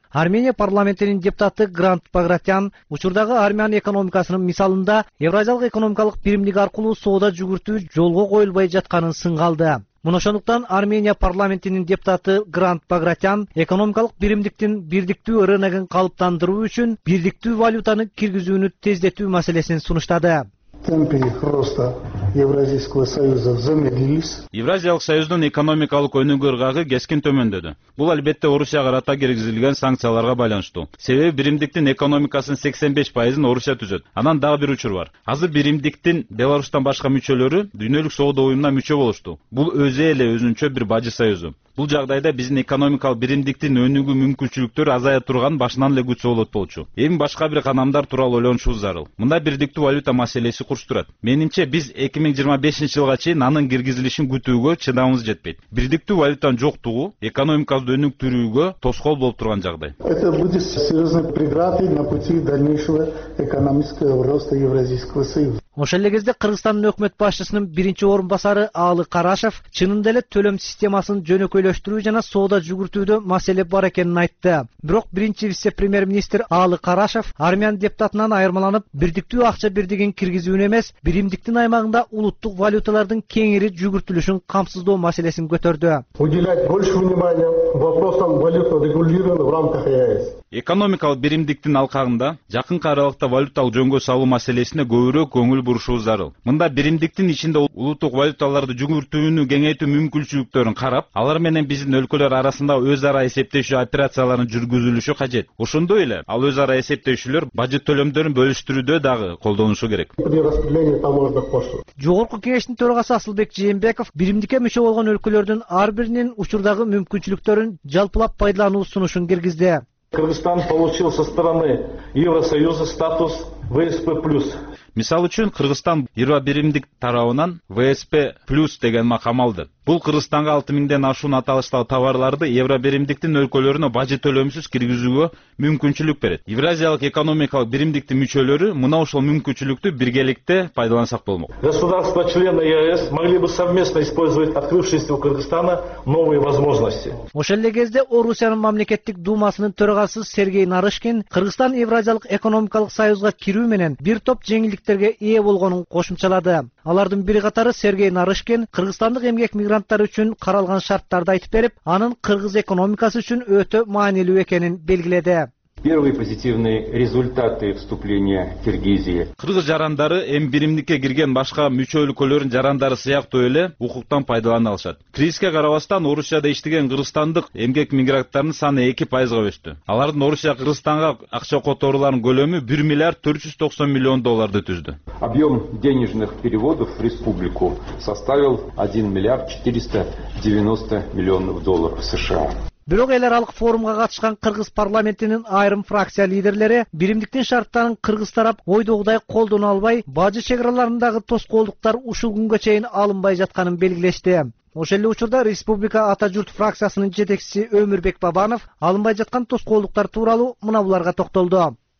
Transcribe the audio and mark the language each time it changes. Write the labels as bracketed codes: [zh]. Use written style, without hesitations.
[ky] Армения парламентинин депутаты Грант Багратян учурдагы армян экономикасынын мисалында евразиялык экономикалык биримдик аркылуу соода жүгүртүү жолго коюлбай жатканын сынга алды. Мына ошондуктан Армения парламентинин депутаты Грант Багратян экономикалык биримдиктин бирдиктүү рыногун калыптандыруу үчүн бирдиктүү валютаны киргизүүнү тездетүү маселесин сунуштады. [ru] Темпы роста Евразийского союза замедлились. [ky] Евразиялык союздун экономикалык өнүгүү ыргагы кескин төмөндөдү. Бул албетте Орусияга карата киргизилген санкцияларга байланыштуу. Себеби биримдиктин экономикасынын 85% Орусия түзөт. Анан дагы бир учур бар. Азыр биримдиктин Беларусьтан башка мүчөлөрү дүйнөлүк соода уюмуна мүчө болушту. Бул өзү эле өзүнчө бир бажы союзу. Бул жагдайда биздин экономикалык биримдиктин өнүгүү мүмкүнчүлүктөрү азая турган башынан эле күч болот болчу. Эми башка бир канамдар тууралуу ойлонушубуз зарыл. Мындай бирдиктүү валюта маселеси курчтурат. Менимче биз 2025 жылга чейин анын киргизилишин күтүүгө чыдамыбыз жетпейт. Бирдиктүү валютанын жоктугу экономикабызды өнүктүрүүгө тоскоол болуп турган жагдай. [ru] Это будет серьезной преградой на пути дальнейшего экономического роста Евразийского союза. [ky] Ошол эле кезде Кыргызстандын өкмөт башчысынын биринчи орун басары Аалы Карашев чынында эле төлөм системасын жөнөкөйлөштүрүү жана соода жүгүртүүдө маселе бар экенин айтты. Бирок биринчи вице премьер министр Аалы Карашев армян депутатынан айырмаланып бирдиктүү акча бирдигин киргизүүнү эмес биримдиктин аймагында улуттук валюталардын кеңири жүгүртүлүшүн камсыздоо маселесин көтөрдү. [ru] Уделять больше внимания вопросам валюта регулирования в рамках ЕАЭС. [ky] Экономикалык биримдиктин алкагында жакынкы аралыкта валюталык жөнгө салуу маселесине көбүрөөк көңүл бурушубуз зарыл. Мында биримдиктин ичинде улуттук валюталарды жүгүртүүнү кеңейтүү мүмкүнчүлүктөрүн карап, алар менен биздин өлкөлөр арасында өз ара эсептешүү операцияларын жүргүзүлүшү кажет. Ошондой эле ал өз ара эсептешүүлөр бажы төлөмдөрүн бөлүштүрүүдө дагы колдонушу керек. Жогорку кеңештин төрагасы Асылбек Жээнбеков биримдикке мүчө болгон өлкөлөрдүн ар биринин учурдагы мүмкүнчүлүктөрүн жалпылап пайдалануу сунушун киргизди. [ru] Кыргызстан получил со стороны Евросоюза статус ВСП+. [ky] Мисал үчүн Кыргызстан 21-имдик тарабынан ВСП плюс деген макам алды. Бул Кыргызстанга 6000 ашуун аталыштагы товарларды Евробиримдиктин өлкөлөрүнө бажы төлөмсүз киргизүүгө мүмкүнчүлүк берет. Евразиялык экономикалык биримдиктин мүчөлөрү мына ушул мүмкүнчүлүктү биргеликте пайдалансак болмок. [ru] Государства члены ЕС могли бы совместно использовать открывшиеся у Кыргызстана новые возможности. [ky] Ошол эле кезде Орусиянын мамлекеттик думасынын төрагасы Сергей Нарышкин Кыргызстан Евразиялык экономикалык союзга кирүү менен бир топ жеңилдиктерге ээ болгонун кошумчалады. Алардын бири катары Сергей Нарышкин кыргызстандык эмгек мигранттары үчүн каралган шарттарды айтып берип, анын кыргыз экономикасы үчүн өтө маанилүү экенин белгиледи. [ru] Первые позитивные результаты вступления Киргизии. [ky] Кыргыз жарандары М1-имдикке кирген башка мүчө өлкөлөрүн жарандары сыяктуу эле укуктан пайдалана алышат. Кризиске карабастан Орусияда иштеген кыргызстандык эмгек мигранттарынын саны 2% өстү. Алардын Орусия Кыргызстанга акча которууларынын көлөмү 1,490,000,000 долларды түздү. [ru] Объем денежных переводов в республику составил 1,490,000,000 долларов США. [ky] Бирок эл аралык форумга катышкан кыргыз парламентинин айрым фракция лидерлери биримдиктин шарттарын кыргыз тарап ойдогудай колдоно албай, бажы чек аралыгындагы тоскоолдуктар ушул күнгө чейин алынбай жатканын белгилешти. Ошол эле учурда Республика Ата Журт фракциясынын жетекчиси Өмүрбек Бабанов алынбай жаткан тоскоолдуктар тууралуу мына буларга токтолду.